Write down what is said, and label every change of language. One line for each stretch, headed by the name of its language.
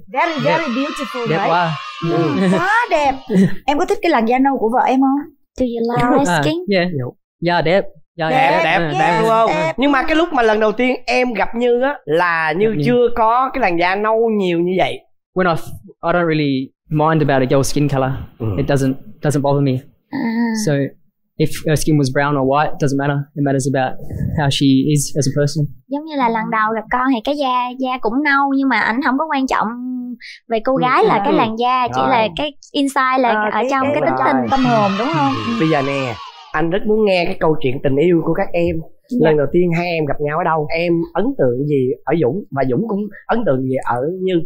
English: Very very beautiful.
Vietnamese: Đẹp quá. Quá đẹp. Em có thích cái làn da nâu của vợ em không?
English: Do you like skin?
Vietnamese: Yeah. Yeah, đẹp. Dạ, đẹp. Yeah, đẹp đúng không? Đẹp. Nhưng mà cái lúc mà lần đầu tiên em gặp Như á là Như chưa có cái làn da nâu nhiều như vậy.
English: When I don't really mind about your skin color. It doesn't bother me. So if her skin was brown or white, it doesn't matter. It matters about how she is as a person.
Vietnamese: Giống như là lần đầu gặp con thì cái da cũng nâu nhưng mà ảnh không có quan trọng về cô gái là cái làn da, chỉ là cái inside là ở trong cái tính tình tâm hồn, đúng không? Bây giờ nè, anh rất muốn nghe cái câu chuyện tình yêu của các em. Lần đầu tiên hai em gặp nhau ở đâu? Em ấn tượng gì ở Dũng và Dũng cũng ấn tượng gì ở Như?